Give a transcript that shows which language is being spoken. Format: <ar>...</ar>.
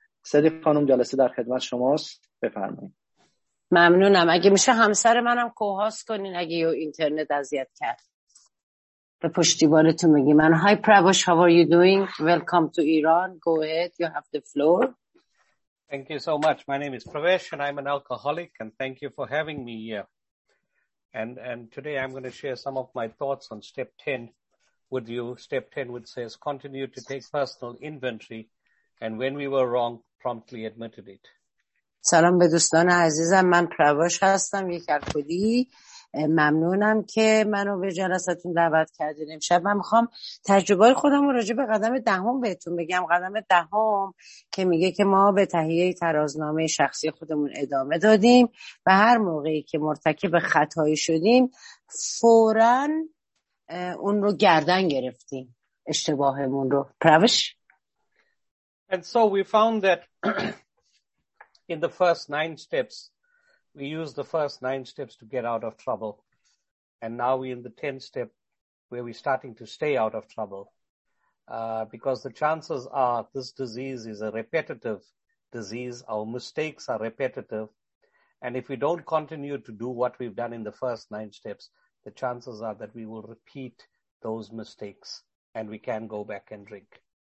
<fa>سدی خانم، جلسه در خدمت شماست، بفرمایید. ممنونم. اگه میشه همسر منم کوهاس کنین اگه یو اینترنت اذیت کرد. به پشتیبانتون میگی من.</fa> <en>Hi Pravesh, how are you doing? Welcome to Iran. Go ahead, you have the floor. Thank you so much. My name is Pravesh and I'm an alcoholic and thank you for having me here. And today I'm going to share some of my thoughts on step 10 with you. Step 10, which says continue to take personal inventory and when we were wrong, promptly admitted it.</en> <fa>سلام به دوستان عزیزم، من پرواش هستم، یک الکلی. ممنونم که منو به جلسه‌تون دعوت کردین امشب. من میخوام تجربه خودم راجع به قدم دهم بهتون بگم. قدم دهم که میگه که ما به تهیه ترازنامه شخصی خودمون ادامه دادیم و هر موقعی که مرتکب خطایی شدیم فوراً اون رو گردن گرفتیم، اشتباهمون رو. پرواش،</fa> <en>and so we found that in the first 9 steps we use the first 9 steps to get out of trouble, and now we're in the 10th step where we're starting to stay out of trouble, because the chances are this disease is a repetitive disease, our mistakes are repetitive, and if we don't continue to do what we've done in the first 9 steps, the chances are that we will repeat those mistakes and we can go back and drink.</en>